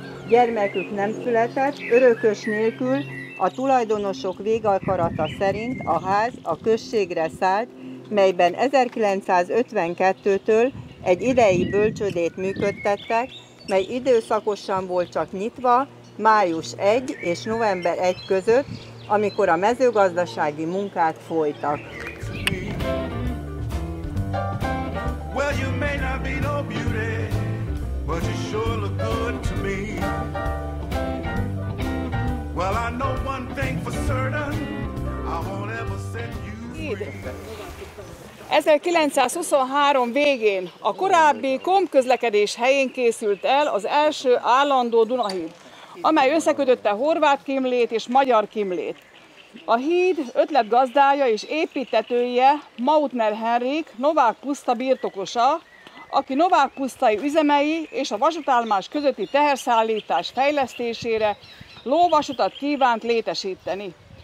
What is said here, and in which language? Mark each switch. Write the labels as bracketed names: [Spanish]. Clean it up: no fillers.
[Hungarian] Gyermekük nem született, örökös nélkül, a tulajdonosok végakarata szerint a ház a községre szállt, melyben 1952-től egy idei bölcsödét működtettek, mely időszakosan volt csak nyitva, május 1 és november 1 között, amikor a mezőgazdasági munkák folytak. [English] Well, you may not be no beauty, but you sure look good to me. Well, I know one thing for certain, I won't ever set you free. [Hungarian] 1923 végén a korábbi kompközlekedés helyén készült el az első állandó Dunahíd, amely összekötötte horvát Kimlét és magyar Kimlét. A híd ötletgazdája és építetője Mautner Henrik, Novák Puszta birtokosa, aki Novák Pusztai üzemei és a vasútállomás közötti teherszállítás fejlesztésére lóvasutat kívánt létesíteni.